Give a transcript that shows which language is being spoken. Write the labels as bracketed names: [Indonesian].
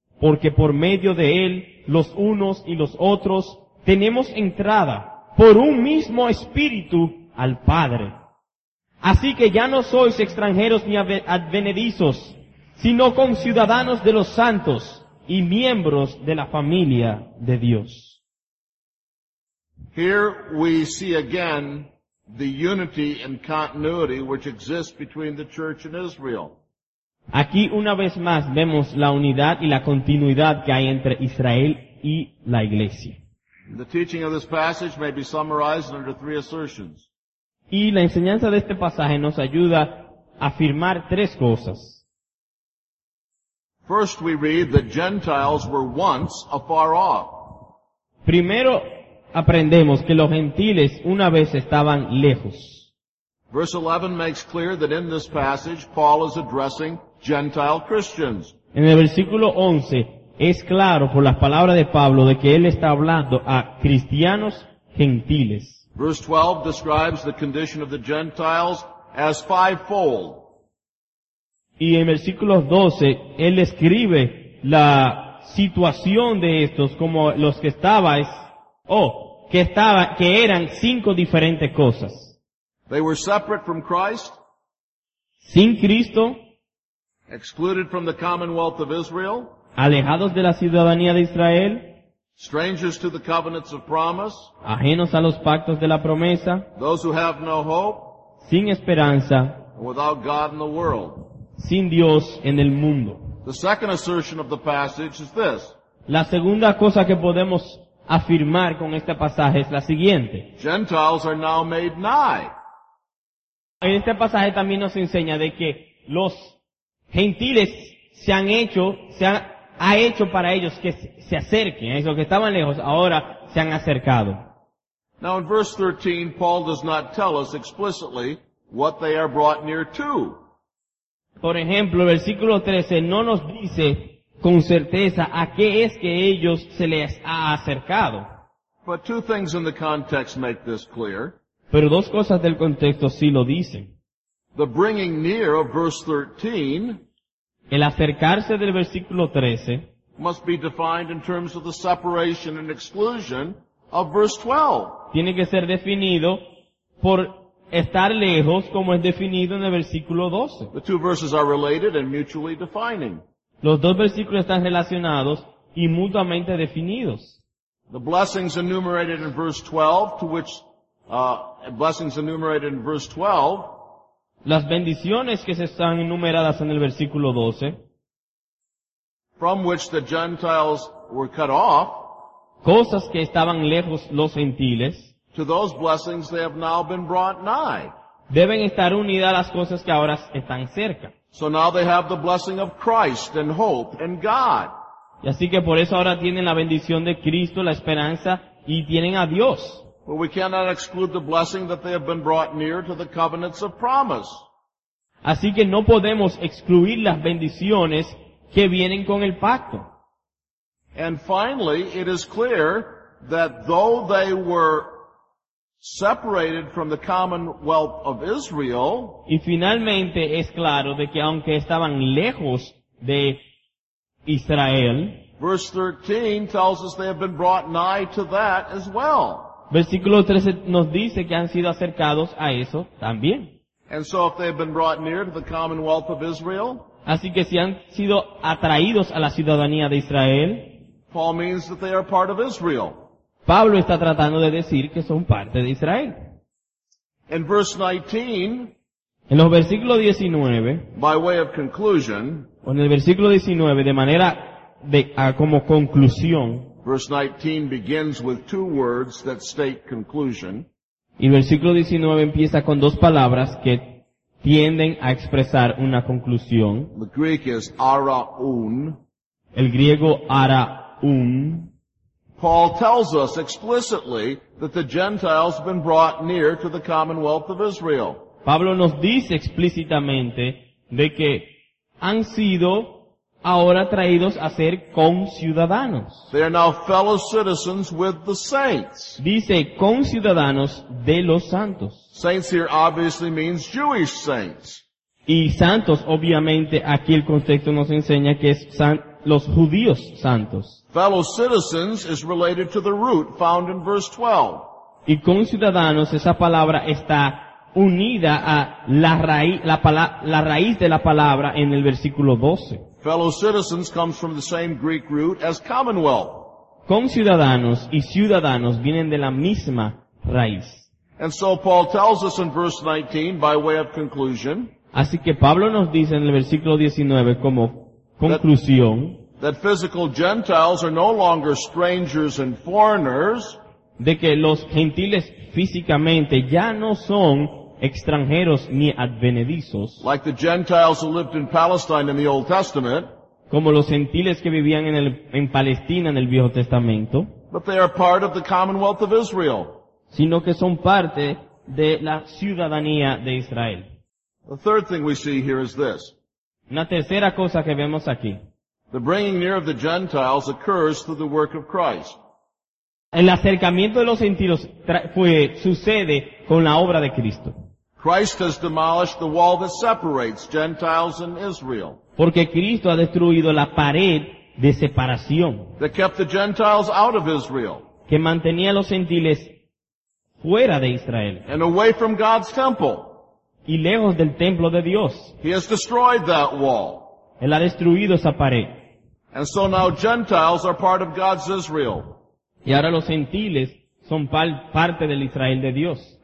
[Spanish] Porque por medio de Él, los unos y los otros, tenemos entrada por un mismo Espíritu al Padre. Así que ya no sois extranjeros ni advenedizos, sino conciudadanos de los santos y miembros de la familia de Dios. [English] Here we see again the unity and continuity which exists between the church and Israel. [Spanish] Aquí una vez más vemos la unidad y la continuidad que hay entre Israel y la iglesia. [English] The teaching of this passage may be summarized under three assertions. [Spanish] Y la enseñanza de este pasaje nos ayuda a afirmar tres cosas. [English] First we read that Gentiles were once afar off. [Spanish] Primero aprendemos que los gentiles una vez estaban lejos. [English] Verse 11 makes clear that in this passage Paul is addressing Gentile Christians. [Spanish] En el versículo 11 es claro por las palabras de Pablo de que él está hablando a cristianos gentiles. [English] Verse 12 describes the condition of the Gentiles as fivefold. [Spanish] Y en versículo 12 él describe la situación de estos como los que estabais que eran cinco diferentes cosas. [English] They were separate from Christ, [Spanish] sin Cristo, [English] excluded from the commonwealth of Israel, [Spanish] alejados de la ciudadanía de Israel, [English] strangers to the covenants of promise, [Spanish] ajenos a los pactos de la promesa, [English] those who have no hope, [Spanish] sin esperanza, [English] without God in the world, [Spanish] sin Dios en el mundo. [English] The second assertion of the passage is this. [Spanish] La segunda cosa que podemos afirmar con este pasaje es la siguiente. [English] Gentiles are now made nigh. [Spanish] En este pasaje también nos enseña de que los gentiles se ha hecho para ellos que se acerquen. A esos que estaban lejos, ahora se han acercado. [English] Now in verse 13, Paul does not tell us explicitly what they are brought near to. [Spanish] Por ejemplo, el versículo 13 no nos dice con certeza a qué es que ellos se les ha acercado. [English] But two things in the context make this clear. [Spanish] Pero dos cosas del contexto sí lo dicen. [English] The bringing near of verse 13, [Spanish] el acercarse del versículo 13, [English] must be defined in terms of the separation and exclusion of verse 12. [Spanish] Tiene que ser definido por estar lejos, como es definido en el versículo 12. [English] The two verses are related and mutually defining. [Spanish] Los dos versículos están relacionados y mutuamente definidos. [English] The blessings enumerated in verse 12, to which blessings enumerated in verse 12, [Spanish] las bendiciones que se están enumeradas en el versículo 12, [English] from which the Gentiles were cut off, [Spanish] cosas que estaban lejos los gentiles, [English] to those blessings they have now been brought nigh. [Spanish] Deben estar unidas las cosas que ahora están cerca. [English] So now they have the blessing of Christ and hope and God. [Spanish] Y así que por eso ahora tienen la bendición de Cristo, la esperanza, y tienen a Dios. [English] But we cannot exclude the blessing that they have been brought near to the covenants of promise. [Spanish] Así que no podemos excluir las bendiciones que vienen con el pacto. [English] And finally, it is clear that though they were separated from the commonwealth of Israel. [Spanish] Y finalmente es claro de que aunque estaban lejos de Israel, [English] verse 13 tells us they have been brought nigh to that as well. [Spanish] Versículo 13 nos dice que han sido acercados a eso también. [English] And so if they have been brought near to the commonwealth of Israel, [Spanish] así que si han sido atraídos a la ciudadanía de Israel, [English] Paul means that they are part of Israel. [Spanish] Pablo está tratando de decir que son parte de Israel. [English] In verse 19, [Spanish] en los versículos 19, [English] by way of conclusion, [Spanish] o en el versículo 19, de manera de, como conclusión, [English] verse 19 begins with two words that state conclusion. [Spanish] Y el versículo 19 empieza con dos palabras que tienden a expresar una conclusión. [English] The Greek is ara un. [Spanish] El griego ara un. [English] Paul tells us explicitly that the Gentiles have been brought near to the commonwealth of Israel. [Spanish] Pablo nos dice explícitamente de que han sido ahora traídos a ser conciudadanos. [English] They are now fellow citizens with the saints. [Spanish] Dice conciudadanos de los santos. [English] Saints here obviously means Jewish saints. [Spanish] Y santos, obviamente, aquí el concepto nos enseña que es los judíos santos. [English] Fellow citizens is related to the root found in verse 12. [Spanish] Y conciudadanos, esa palabra está unida a la raíz de la palabra en el versículo 12. [English] Fellow citizens comes from the same Greek root as commonwealth. [Spanish] Conciudadanos y ciudadanos vienen de la misma raíz. [English] And so Paul tells us in verse 19 by way of conclusion. [Spanish] Así que Pablo nos dice en el versículo 19 como conclusión [English] that physical Gentiles are no longer strangers and foreigners, [Spanish] de que los gentiles físicamente ya no son extranjeros ni advenedizos, [English] like the Gentiles who lived in Palestine in the Old Testament, [Spanish] como los gentiles que vivían en Palestina en el Viejo Testamento, [English] but they are part of the commonwealth of Israel, [Spanish] sino que son parte de la ciudadanía de Israel. [English] The third thing we see here is this. [Spanish] Una tercera cosa que vemos aquí. [English] The bringing near of the Gentiles occurs through the work of Christ. [Spanish] El acercamiento de los gentiles sucede con la obra de Cristo. [English] Christ has demolished the wall that separates Gentiles and Israel. [Spanish] Porque Cristo ha destruido la pared de separación. [English] That kept the Gentiles out of Israel. [Spanish] Que mantenía a los gentiles fuera de Israel. [English] And away from God's temple. [Spanish] Y lejos del templo de Dios. [English] He has destroyed that wall. [Spanish] Él ha destruido esa pared. [English] And so now Gentiles are part of God's Israel. [Spanish] Y ahora los gentiles son parte del Israel de Dios.